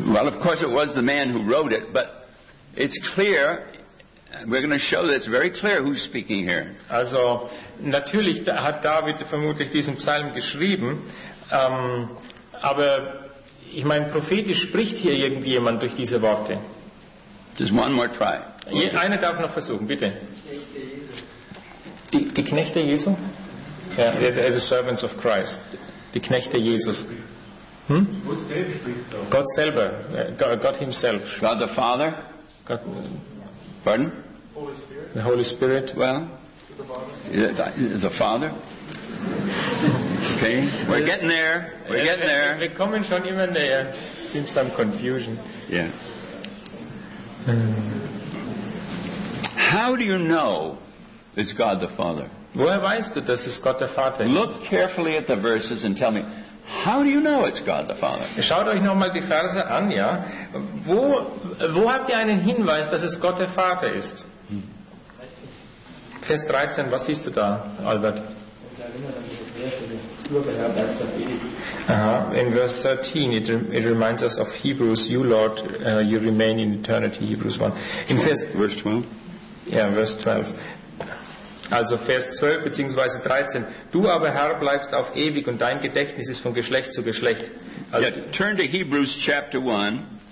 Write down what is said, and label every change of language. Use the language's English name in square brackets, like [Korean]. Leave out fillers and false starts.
[English] Well, of course it was the man who wrote it, but it's clear, we're going to show that it's very clear who's speaking here. [German] Also, natürlich hat David vermutlich diesen Psalm geschrieben, aber ich meine, prophetisch spricht hier irgendjemand durch diese Worte. [English] Just one more try. Okay. [German] Einer darf noch versuchen, bitte. Die Knechte Jesu? [English] Yeah, the servants of Christ. [German] Die Knechte Jesus. Gott selber, [English] God himself. God the Father. God. Pardon? Holy Spirit. The Holy Spirit. Well, the Father. Okay, we're getting there. We're getting there. [German] Wir kommen schon immer näher. [English] Seems some confusion. Yeah. How do you know It's God the Father. [German] Woher weißt du, dass es Gott der Vater ist? [English] Look carefully at the verses and tell me, how do you know it's God the Father? [German] Schaut euch nochmal die Verse an, ja. Wo habt ihr einen Hinweis, dass es Gott der Vater ist? Vers 13, was siehst du da, Albert? [English] In Vers 13, it reminds us of Hebrews, you Lord, you remain in eternity, Hebrews 1. [German] In Vers 12? Ja, Vers 12. Also Vers 12 bzw. 13. Du aber Herr bleibst auf ewig und dein Gedächtnis ist von Geschlecht zu Geschlecht. Also, [English] yeah, turn to Hebrews chapter 1.